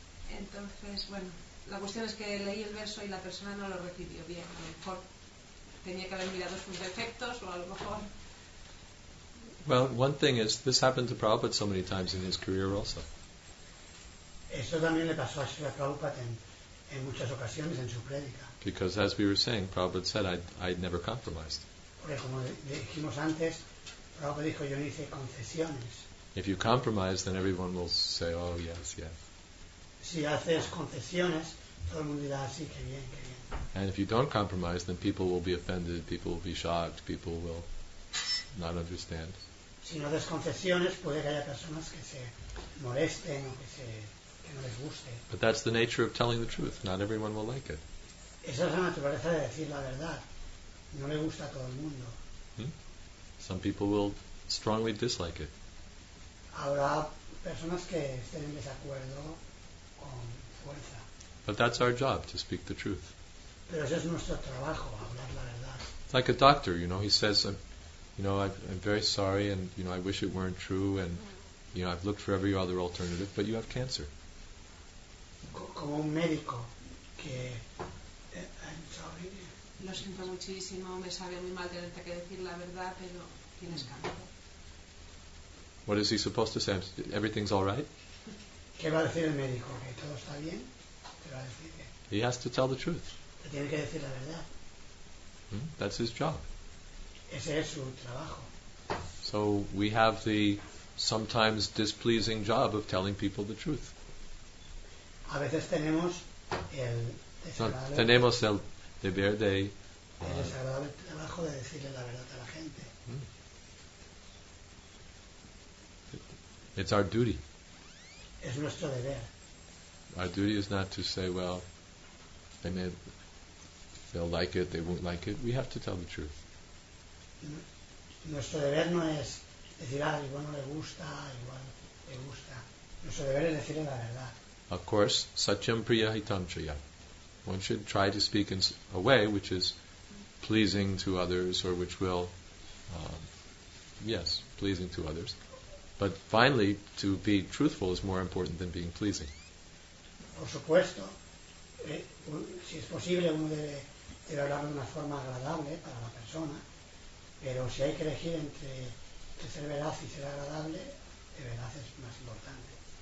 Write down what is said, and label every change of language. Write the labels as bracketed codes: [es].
[es] Entonces, bueno, la cuestión es que leí el verso y la persona no lo recibió bien. A lo mejor tenía que haber mirado sus defectos o a lo mejor... [en] Well, one thing is, this happened to Prabhupada so many times in his career also. [es] Eso también le pasó a Srila Prabhupada en muchas ocasiones en su prédica. [en] Because as we were saying, Prabhupada said, I'd never compromised. [es] Porque como dijimos antes, Prabhupada dijo, yo no hice concesiones. [en] If you compromise, then everyone will say, oh, yes, yes. [es] Si haces concesiones, todo el mundo dirá, sí, que bien, que bien. [en] And if you don't compromise, then people will be offended, people will be shocked, people will... not understand. [es] Si no das concesiones, puede que haya personas que se molesten o que no les guste. [en] But that's the nature of telling the truth. Not everyone will like it. [es] Esa es la naturaleza de decir la verdad. No le gusta a todo el mundo. [en] Some people will strongly dislike it. [es] Habrá personas que estén en desacuerdo con fuerza. [en] But that's our job, to speak the truth. [es] Pero ese es nuestro trabajo, hablar la verdad. [en] Like a doctor, you know, he says... You know, I'm very sorry, and you know, I wish it weren't true, and you know, I've looked for every other alternative, but you have cancer. [es] Como un médico que, [en] I'm sorry. [es] Lo siento muchísimo, me sabe muy mal tener que decir la verdad, pero tienes cáncer. [en] What is he supposed to say? Everything's all right? [es] ¿Qué va a decir el médico? Que todo está bien. ¿Qué va a decir? [en] He has to tell the truth. [es] Te tiene que decir la verdad. [en] That's his job. [es] Ese es su trabajo. [en] So we have the sometimes displeasing job of telling people the truth. [es] A veces tenemos el desagradable trabajo de decirle la verdad a la gente. [en] It's our duty. [es] Es nuestro deber. [en] Our duty is not to say, well, They may have, they'll like it, they won't like it. We have to tell the truth. [es] Nuestro deber no es decir, ah, igual no le gusta, igual le gusta. Nuestro deber es decirle la verdad. [en] Of course, [sa] satyam priya hitam chaya. [en] One should try to speak in a way which is pleasing to others, or which will, yes, pleasing to others. But finally, to be truthful is more important than being pleasing. [es] Por supuesto, si es posible, uno debe hablar de una forma agradable para la persona. Pero si hay que elegir entre ser veraz y ser agradable, de veraz es más importante.